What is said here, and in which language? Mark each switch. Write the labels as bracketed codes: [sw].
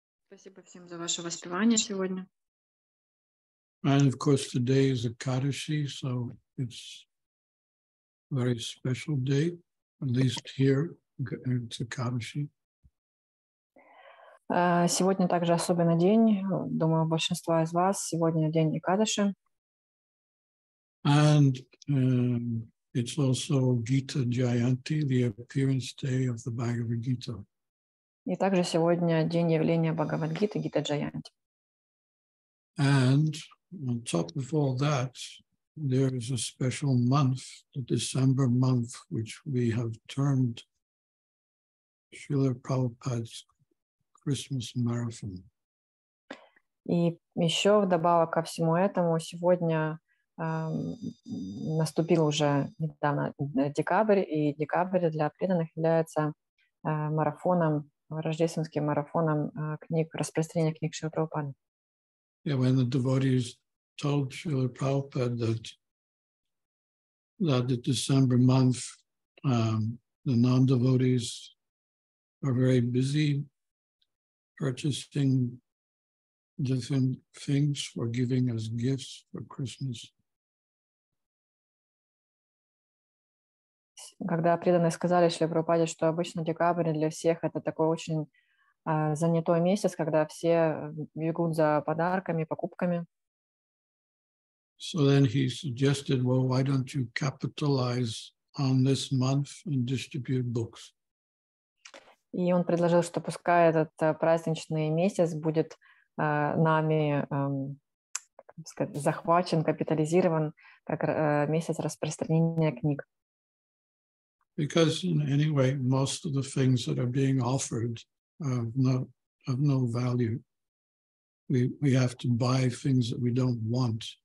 [ru] Спасибо всем за ваше воспевание сегодня. [en] And of course, today is Ekadashi, so it's a very special day, at least here, it's Ekadashi. [ru] Сегодня также особенный день, думаю, большинство из вас, сегодня день Экадаши. [en] And it's also Gita Jayanti, the appearance day of the Bhagavad Gita. [ru] И также сегодня день явления Бхагавад-гиты, Гита Джаянти. [en] And on top of all that, there is a special month, the December month, which we have termed Srila Prabhupada's Christmas Marathon. [ru] И еще вдобавок ко всему этому, сегодня наступил уже недавно декабрь, и декабрь для преданных является марафоном, рождественским марафоном книг, распространения книг Шрилы Прабхупады. [en] Yeah, when the devotees told Srila Prabhupada that the December month, the non-devotees are very busy purchasing different things for giving as gifts for Christmas. [ru] Когда преданные сказали Шриле Прабхупаде, что обычно декабрь для всех это такой очень занятой месяц, когда все бегут за подарками, покупками. [en] So then he suggested, well, why don't you capitalize on this month and distribute books? [ru] И он предложил, что пускай этот праздничный месяц будет нами захвачен, капитализирован как месяц распространения книг. [en] Because in any way, most of the things that are being offered have no value. We have to buy things that we don't want.